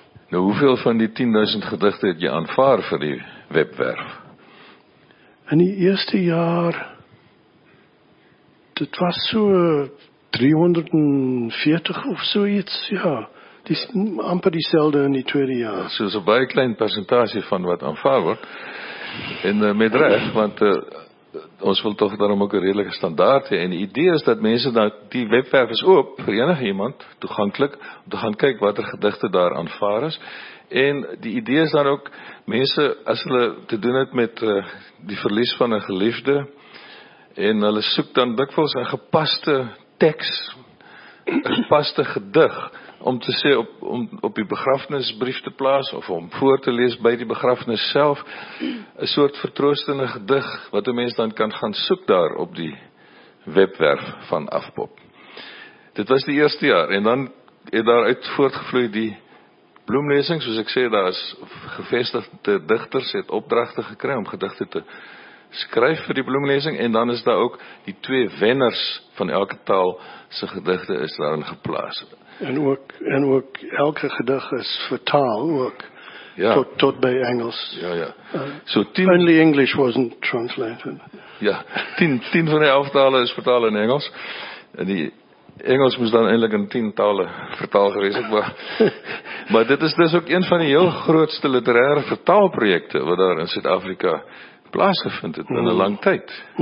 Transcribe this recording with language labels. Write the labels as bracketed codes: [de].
[af] Nou, hoeveel van die 10.000 gedigte het jy aanvaar vir die webwerf? In die eerste jaar, dit was so 340 of so iets, ja. Dis amper dieselfde in die tweede jaar. So is 'n baie klein percentage van wat aanvaar word. En met reg, want ons wil toch daarom ook een redelike standaard hê. En die idee is dat mense nou, die webwerf is oop vir enige iemand, toeganklik, om te gaan kyk wat gedigte daar aanvaar is. En die idee is dan ook, mense, as hulle te doen het met die verlies van 'n geliefde, en hulle soek dan dikwels een gepaste tekst, een gepaste gedig, om te sê om op die begrafnisbrief te plaas, of om voor te lees by die begrafnis self, een soort vertroostende gedig, wat die mens dan kan gaan soek daar op die webwerf van Afbob. Dit was die eerste jaar, en dan het daaruit voortgevloei die bloemlesing, soos ek sê, daar is gevestigde digters het opdragte gekry om gedigte te skryf vir die bloemlesing, en dan is daar ook die twee wenners van elke taal se gedigte is daarin geplaas. En ook elke gedig is vertaal ook, ja. tot by Engels. Ja, ja. [en] Only English wasn't translated. [af] Ja, 10 van die 11 tale is vertaal in Engels, en die Engels moes dan eindelijk in 10 tale vertaal gewees, maar dit is dus ook een van die heel grootste literaire vertaalprojekte wat daar in Suid-Afrika plaasgevind het in 'n lang tyd.